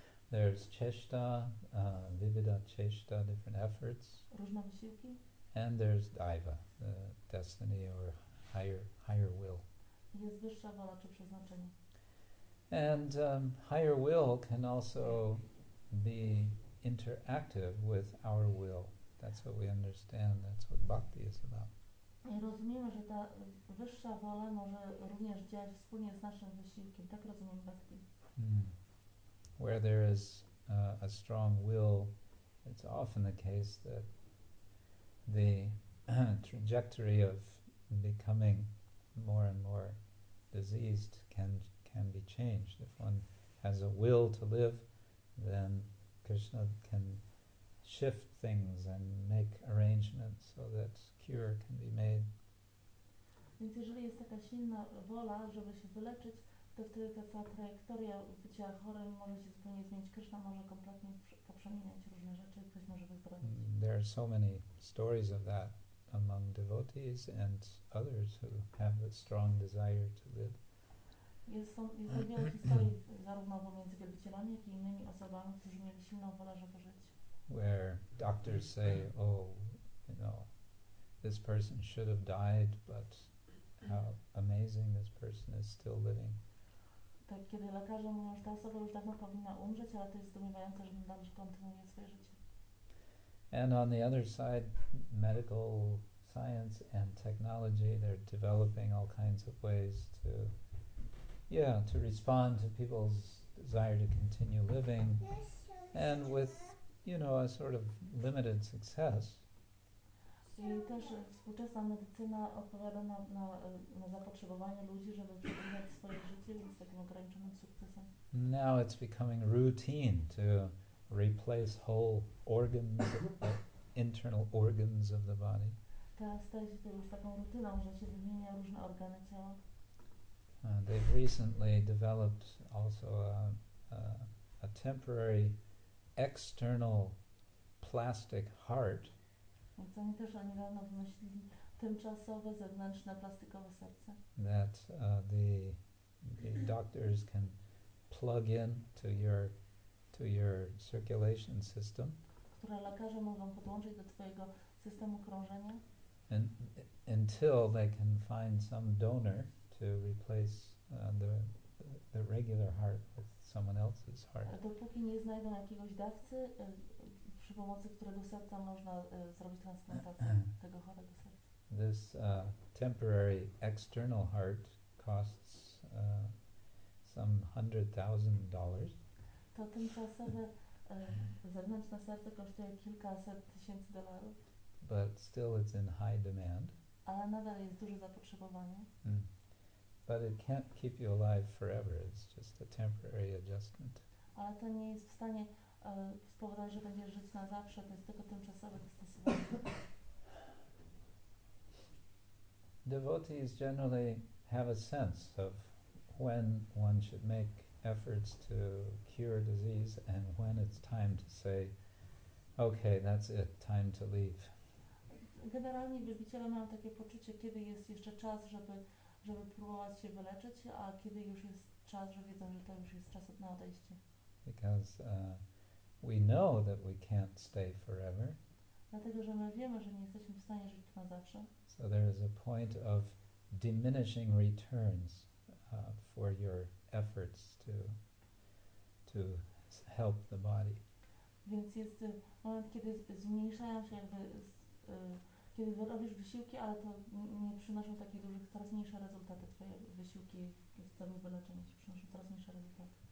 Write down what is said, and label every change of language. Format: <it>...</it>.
<en>There's cheshta, vivida cheshta, different efforts.</en> <pl>Różne wysiłki.</pl> <en>And there's daiva, the destiny or higher will.</en> <pl>Jest wyższa wola czy przeznaczenie.</pl> <en>And higher will can also be interactive with our will. That's what we understand, that's what bhakti is about.</en> <pl>I rozumiemy, że ta wyższa wola może również działać wspólnie z naszym wysiłkiem. Tak rozumiem bhakti.</pl> <en>Where there is a strong will, it's often the case that the trajectory of becoming more and more diseased can be changed. If one has a will to live, then Krishna can shift things and make arrangements so that cure can be made.</en> <pl>Więc jeżeli jest taka silna wola, żeby się wyleczyć, to wtedy ta cała trajektoria bycia chorym może się zupełnie zmienić. Krishna może kompletnie poprzemieniać różne rzeczy, ktoś może wyzdrowić.</pl> <en>There are so many stories of that among devotees and others who have a strong desire to live.</en> <pl>Jest wiele historii zarówno pomiędzy wielbicielami, jak i innymi osobami, którzy mieli silną wolę, żeby żyć.</pl> <en>Where doctors say, oh, you know, this person should have died, but how amazing this person is still living.</en> <pl>Tak, kiedy lekarze mówią, że ta osoba już dawno powinna umrzeć, ale to jest zdumiewające, że nadal kontynuuje swoje życie.</pl> <en>And on the other side, medical science and technology, they're developing all kinds of ways to, yeah, to respond to people's desire to continue living. And with, you know, a sort of limited success.</en> <pl>I też współczesna medycyna odpowiada na zapotrzebowanie ludzi, żeby przedłużać swoje życie z takim ograniczonym sukcesem.</pl> <en>Now it's becoming routine to replace whole organs, internal organs of the body.</en> <pl>Teraz staje się to już taką rutyną, że się wymienia różne organy ciała.</pl> <en>They've recently developed also a temporary external plastic heart.</en> <pl>Oni też niedawno wymyślili tymczasowe zewnętrzne plastikowe serce.</pl> <en>That the doctors can plug in to your circulation system.</en> <pl>Które lekarze mogą podłączyć do twojego systemu krążenia.</pl> <en>And until they can find some donor to replace the regular heart with someone else's heart.</en> <pl>A dopóki nie znajdą jakiegoś dawcy, przy pomocy którego serca można zrobić transplantację tego chorego serca.</pl> <en>This temporary external heart costs some $100,000.</en> <pl>To tymczasowe zewnętrzne serce kosztuje kilkaset tysięcy dolarów.</pl> <en>But still it's in high demand.</en> <pl>Ale nadal jest duże zapotrzebowanie.</pl> <en>But it can't keep you alive forever. It's just a temporary adjustment.</en> <pl>Ale to nie jest w stanie spowodować, że będziesz żyć na zawsze. To jest tylko tymczasowe dostosowanie.</pl> <en>Devotees generally have a sense of when one should make efforts to cure disease and when it's time to say, okay, that's it, time to leave.</en> <pl>Generalnie wielbiciele mają takie poczucie, kiedy jest jeszcze czas, żeby próbować się wyleczyć, a kiedy już jest czas, że wiedzą, że to już jest czas na odejście.</pl> <en>Because we know that we can't stay forever.</en> <pl>Dlatego, że my wiemy, że nie jesteśmy w stanie żyć na zawsze.</pl> <en>So there is a point of diminishing returns for your efforts to help the body.</en> <pl>Więc jest moment, kiedy zmniejszają się jakby kiedy robisz wysiłki, ale to nie przynoszą takich dużych, coraz mniejsze rezultaty. Twoje wysiłki z celu wyleczenia się przynoszą coraz mniejsze rezultaty.</pl>